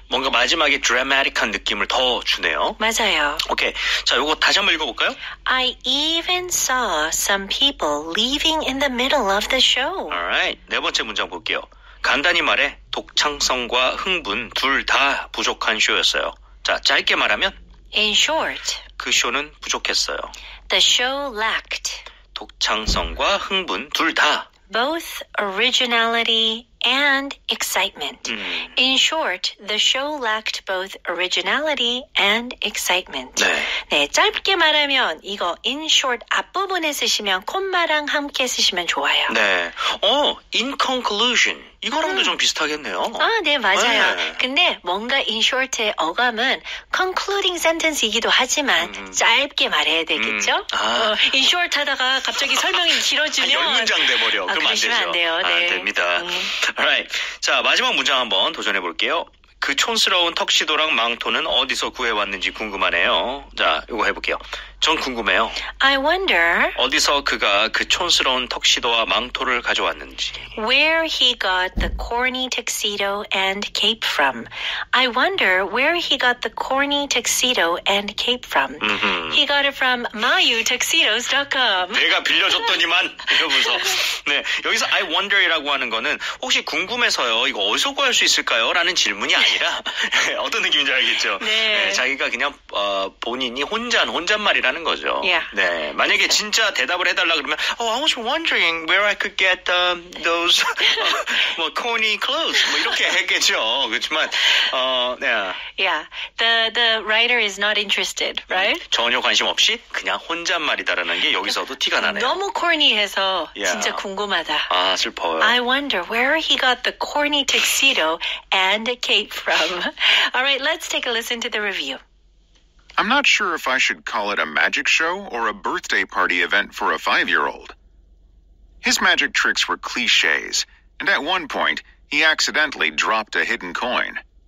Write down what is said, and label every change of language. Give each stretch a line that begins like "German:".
Korean: 뭔가 마지막에 드라마틱한 느낌을 더 주네요. 맞아요. 오케이. 자, 요거 다시 한번 읽어볼까요?
English: I even saw some people leaving in the middle of the show.
Korean: Alright. 네 번째 문장 볼게요. 간단히 말해 독창성과 흥분 둘 다 부족한 쇼였어요. 자, 짧게 말하면
English: In short,
Korean: 그 쇼는 부족했어요.
English: The show lacked
Korean: 독창성과 흥분 둘 다
English: both originality and excitement. In short, the show lacked both originality and excitement.
Korean: 네. 네, 짧게 말하면 이거 in short 앞부분에 쓰시면 콤마랑 함께 쓰시면 좋아요.
English: 네. In conclusion.
Korean: 이거랑도 좀 비슷하겠네요. 아, 네, 맞아요. 네. 근데 뭔가 in short의 어감은 concluding sentence이기도 하지만 짧게 말해야 되겠죠? In short 하다가 갑자기 설명이 길어지면 열 문장 돼버려. 그러면 안 되죠. 안 돼요. 네. 아, 됩니다. Alright. 자, 마지막 문장 한번 도전해 볼게요. 그 촌스러운 턱시도랑 망토는 어디서 구해왔는지 궁금하네요. 자, 이거 해볼게요. 전 궁금해요.
English: I wonder
Korean: 어디서 그가 그 촌스러운 턱시도와 망토를 가져왔는지.
English: Where he got the corny tuxedo and cape from. I wonder where he got the corny tuxedo and cape from. He got it from mayutuxedos.com.
Korean: 내가 빌려줬더니만 이러면서. 네, 여기서 I wonder이라고 하는 거는 혹시 궁금해서요. 이거 어디서 구할 수 있을까요? 라는 질문이 아니라 어떤 느낌인지 알겠죠? 네. 네, 자기가 그냥 본인이 혼잣말이 라는 거죠.
English: Yeah.
Korean: 네. 만약에 진짜 대답을 해달라 그러면,
English: Oh, I was wondering where I could get those corny clothes.
Korean: 뭐 이렇게 했겠죠. 그렇지만,
English: Yeah. Yeah. The writer is not interested, right?
Korean: 전혀 관심 없이 그냥 혼잣말이다라는 게 여기서도 티가 나네요. 너무 corny해서 진짜 궁금하다. 아, 슬퍼요.
English: I wonder where he got the corny tuxedo and a cape from. All right, let's take a listen to the review. I'm not sure if I should call it a magic show or a birthday party event for a five-year-old. His magic tricks were clichés, and at one point, he accidentally dropped a hidden coin.